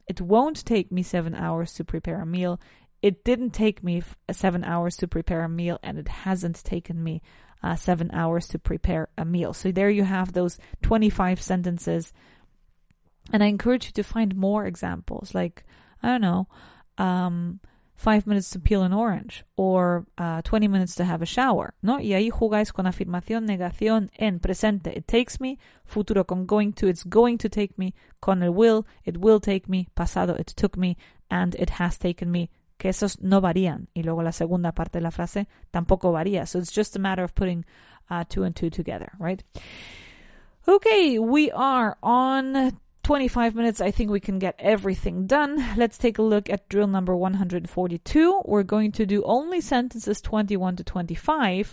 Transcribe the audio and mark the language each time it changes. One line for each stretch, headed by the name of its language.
English: It won't take me 7 hours to prepare a meal. It didn't take me 7 hours to prepare a meal, and it hasn't taken me 7 hours to prepare a meal. So there you have those 25 sentences. And I encourage you to find more examples, like, I don't know, 5 minutes to peel an orange, or 20 minutes to have a shower.
Spanish: ¿No? Y ahí jugáis con afirmación, negación, en presente.
English: It takes me, futuro con going to, it's going to take me, con it will take me, pasado, it took me, and it has taken me,
Spanish: que esos no varían. Y luego la segunda parte de la frase tampoco varía.
English: So it's just a matter of putting two and two together, right? Okay, we are on 25 minutes. I think we can get everything done. Let's take a look at drill number 142. We're going to do only sentences 21 to 25.